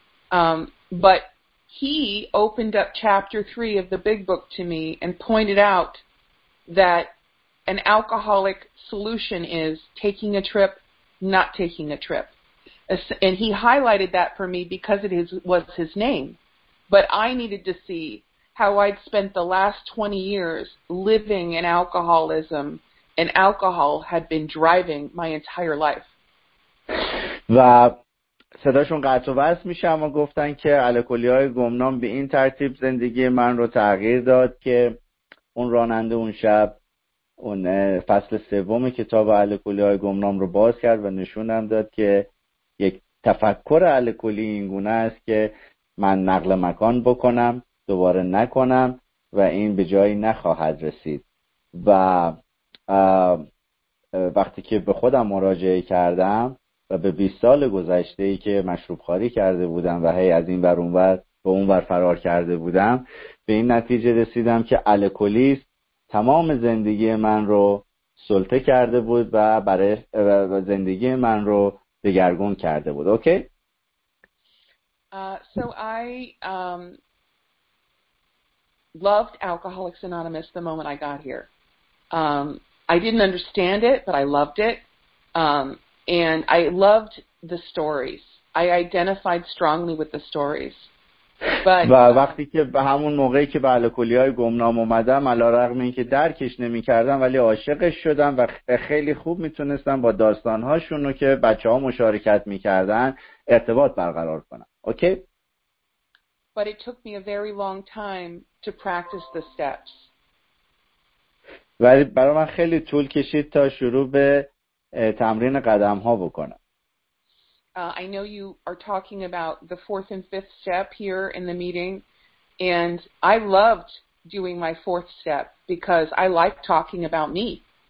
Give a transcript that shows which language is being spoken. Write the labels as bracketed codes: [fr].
[en] But he opened up chapter 3 of the big book to me and pointed out that an alcoholic solution is taking a trip, not taking a trip. And he highlighted that for me because it was his name. But I needed to see how I'd spent the last 20 years living in alcoholism, and alcohol had been driving my entire life. [fa] صداشون قطع و وصل میشه اما گفتن که الکلی‌های گمنام به این ترتیب زندگی من رو تغییر داد که اون راننده اون شب اون فصل سوم کتاب الکلی‌های گمنام رو باز کرد و نشونم داد که یک تفکر الکلی این گونه است که من نقل مکان بکنم دوباره نکنم و این به جایی نخواهد رسید و وقتی که به خودم مراجعه کردم و به 20 سال گذشته ای که مشروب خاری کرده بودم و هی از این ور اون ور به اون ور فرار کرده بودم به این نتیجه رسیدم که الکلیست تمام زندگی من رو سلطه کرده بود و برای زندگی من رو دگرگون کرده بود. اوکی؟ [en] So I loved Alcoholics Anonymous the moment I got here. I didn't understand it, but I loved it. And I loved the stories. I identified strongly with the stories. But [fa] و وقتی که به همون موقعی که به الکلی‌های گمنام اومدم علارغم اینکه درکش نمی‌کردم ولی عاشقش شدم و خیلی خوب میتونستم با داستان‌هاشون رو که بچه‌ها مشارکت می‌کردن ارتباط برقرار کنم. اوکی؟ [en] But it took me a very long time to practice the steps. [fa] ولی برای من خیلی طول کشید تا شروع به تمرین قدم ها بکنم. [en] I know you are talking about the fourth and fifth step here in the meeting and I loved doing my fourth step because I like talking about me.